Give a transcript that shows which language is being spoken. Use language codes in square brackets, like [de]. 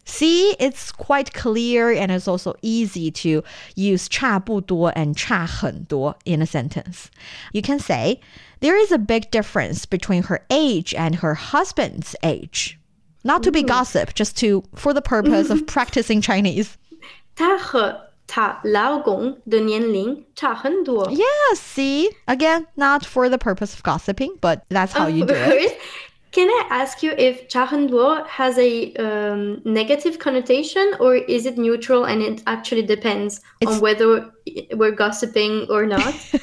[en] See, it's quite clear and it's also easy to use 差不多 and 差很多 in a sentence. You can say, there is a big difference between her age and her husband's age. Not to be gossip, just to, for the purpose of practicing Chinese. [zh] 她和她老公的年龄差很多。 [en] Yeah, see, again, not for the purpose of gossiping, but that's how you do it. Can I ask you if 差很多 has a negative connotation or is it neutral and it actually depends on whether we're gossiping or not?